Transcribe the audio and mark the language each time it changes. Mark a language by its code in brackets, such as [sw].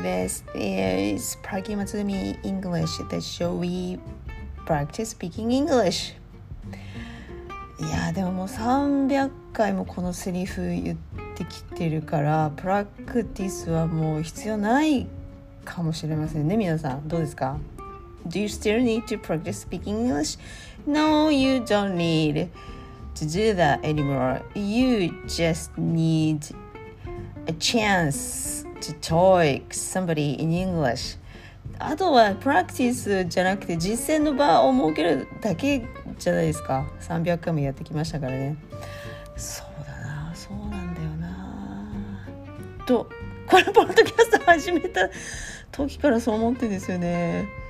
[en] This is Pragi Matsumi English, the show we practice speaking English. [ja] Yeah, でももう300回もこのセリフ言ってきてるから、プラクティスはもう必要ないかもしれませんね、皆さん。どうですか? [en] Do you still need to practice speaking English? No, you don't need to do that anymore. You just needA chance to talk somebody in English. [ja] あとはプラクティスじゃなくて実践の場を設けるだけじゃないですか。 300回もやってきましたからね。そうだな、そうなんだよな。と、このポッドキャスト始めた時からそう思ってんですよね。